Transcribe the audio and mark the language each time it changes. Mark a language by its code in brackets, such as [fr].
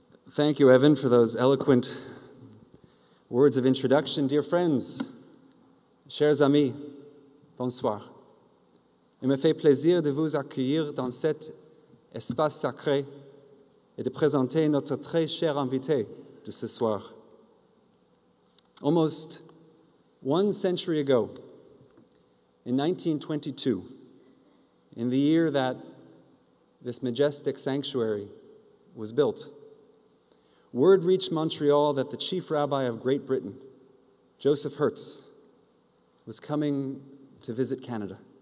[en] Thank you, Evan, for those eloquent words of introduction. Dear friends, [fr] chers amis, bonsoir. Il me fait plaisir de vous accueillir dans cet espace sacré et de présenter notre très cher invité de ce soir. [en] Almost one century ago, in 1922, in the year that this majestic sanctuary was built, word reached Montreal that the chief rabbi of Great Britain, Joseph Hertz, was coming to visit Canada.